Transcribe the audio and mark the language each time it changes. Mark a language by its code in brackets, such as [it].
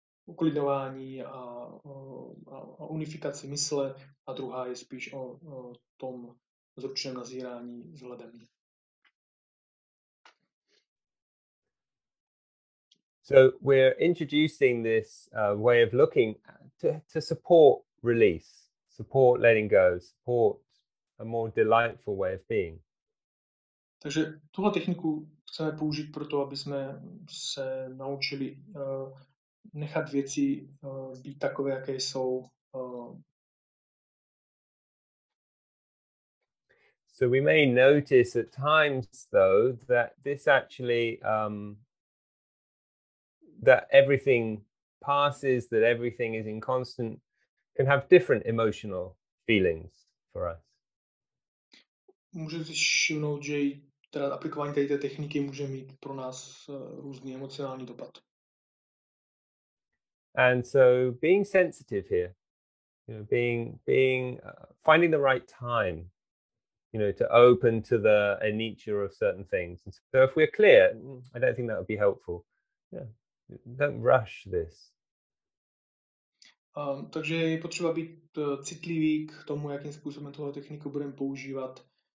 [cs] uklidňování a unifikaci mysle, a druhá je spíš o tom zručném nazírání vzhledem. [en] So we're introducing this way of looking to support release, support letting go, support a more delightful way of being. [cs] Takže tuhle techniku chceme použít pro to, aby jsme se naučili nechat věci být takové, jaké jsou. [en] So we may notice at times, though, that this actually that everything passes, that everything is in constant, can have different emotional feelings for us. [cs] Můžete všimnout, že teda aplikování této techniky může mít pro nás různý emocionální dopad. [en] And so being sensitive here, you know, being finding the right time, you know, to open to the nature of certain things. And so if we're clear, I don't think that would be helpful. Yeah. Don't rush this. [cs] Takže je potřeba být citlivý k tomu, jakým způsobem tohle techniku budeme používat.